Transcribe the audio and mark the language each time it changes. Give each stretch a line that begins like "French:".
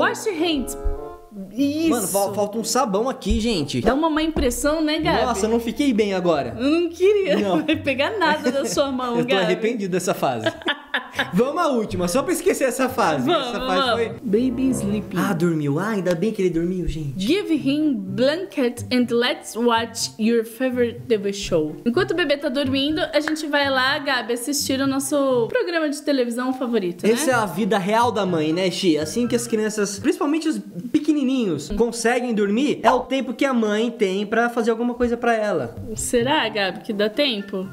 English: Wash your hands.
Portuguese: Isso. Mano, falta um sabão aqui, gente. Dá uma má impressão, né, Gabi? Nossa, eu não fiquei bem agora. Eu não queria pegar nada da sua mão, Gabi. Eu tô arrependido dessa fase. Vamos à última, só pra esquecer essa fase. Vamos, essa fase foi...
English: Baby sleeping.
Portuguese: Ah, dormiu. Ah, ainda bem que ele dormiu, gente.
English: Give him blanket and let's watch your favorite TV show.
Portuguese: Enquanto o bebê tá dormindo, a gente vai lá, Gabi, assistir o nosso programa de televisão favorito, né? Essa é a vida real da mãe, né, Xi? Assim que as crianças, principalmente os pequenininhos, conseguem dormir, é o tempo que a mãe tem pra fazer alguma coisa pra ela. Será, Gabi, que dá tempo?